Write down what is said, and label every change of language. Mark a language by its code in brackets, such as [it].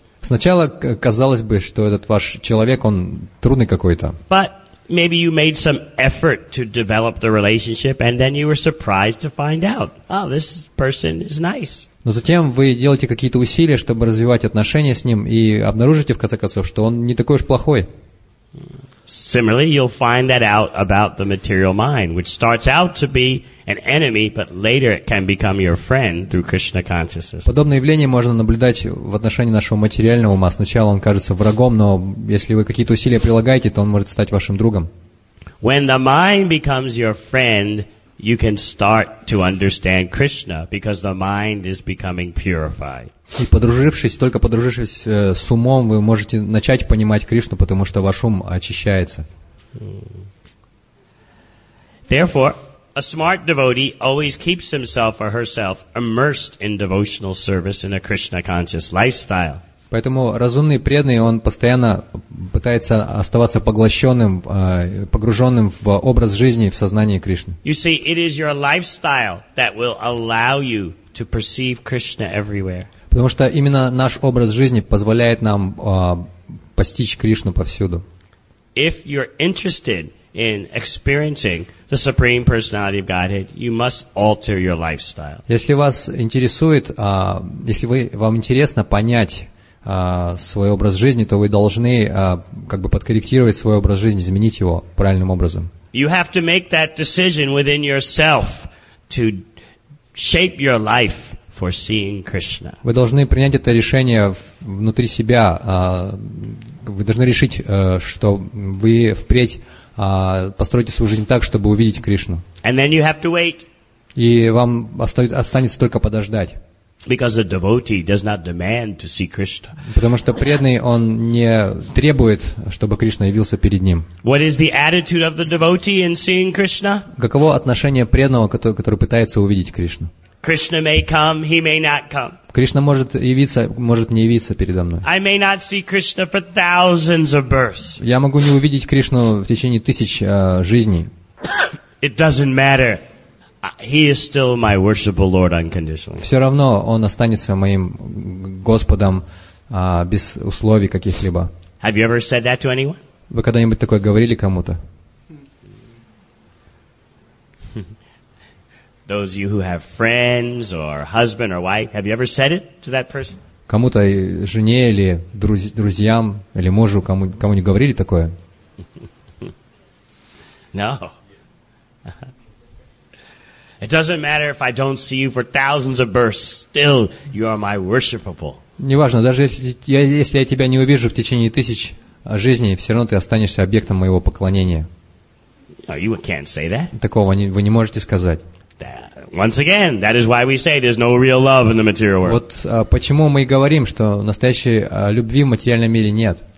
[ru] Сначала казалось бы, что этот ваш человек, он трудный какой-то. [en] But maybe you made some effort to develop the relationship, and then you were surprised to find out, oh, this person is nice. [ru] Но затем вы делаете какие-то усилия, чтобы развивать отношения с ним, и обнаружите, в конце концов, что он не такой уж плохой. [en] Similarly, you'll find that out about the material mind, which starts out to be an enemy, but later it can become your friend through Krishna consciousness. [ru] Подобное явление можно наблюдать в отношении нашего материального ума. Сначала он кажется врагом, но если вы какие-то усилия прилагаете, то он может стать вашим другом. [en] When the mind becomes your friend, you can start to understand Krishna because the mind is becoming purified. [ru] И подружившись, только подружившись с умом, вы можете начать понимать Кришну, потому что ваш ум очищается. [en] Therefore, a smart devotee always keeps himself or herself immersed in devotional service in a Krishna-conscious lifestyle. [ru] Поэтому разумный преданный, он постоянно пытается оставаться поглощенным, погруженным в образ жизни, в сознание Кришны. [en] You see, it is your lifestyle that will allow you to perceive Krishna everywhere. [ru] Потому что именно наш образ жизни позволяет нам постичь Кришну повсюду. [en] If you're interested in experiencing the Supreme Personality of Godhead, you must alter your lifestyle. [ru] Если вас интересует, вам интересно понять свой образ жизни, то вы должны как бы подкорректировать свой образ жизни, изменить его правильным образом. [en] You have to make that decision within yourself to shape your life for seeing Krishna. [ru] Вы должны принять это решение внутри себя. Вы должны решить, что вы впредь построите свою жизнь так, чтобы увидеть Кришну. [en] And then you have to wait. [ru] И вам останется только подождать. [en] Because a devotee does not demand to see Krishna. [ru] Потому что преданный, он не требует, чтобы Кришна явился перед ним. [en] What is the attitude of the devotee in seeing Krishna? [ru] Каково отношение преданного, который пытается увидеть Кришну? [en] Krishna may come, he may not come. [ru] Кришна может явиться, может не явиться передо мной. [en] I may not see Krishna for thousands of births. [ru] Я могу не увидеть Кришну в течение тысяч жизней. [en] It doesn't matter. He is still my worshipful Lord unconditionally. [ru] Все равно он останется моим Господом без условий каких-либо. [en] Have you ever said that to anyone? [ru] Вы когда-нибудь такое говорили кому-то? [en] Those of you who have friends or husband or wife, have you ever said it to that person? [ru] Кому-то, жене или друзьям или мужу, кому не говорили такое? [en] No. It doesn't matter if I don't see you for thousands of births, still you are my worshipable. [ru] Неважно, даже если я тебя не увижу в течение тысяч жизней, все равно ты останешься объектом моего поклонения. [en] No, you can't say that. [ru] Такого вы не можете сказать. [en] Once again, that is why we say there's no real love in the material world. [ru] Вот почему мы говорим, что настоящей любви в материальном мире нет.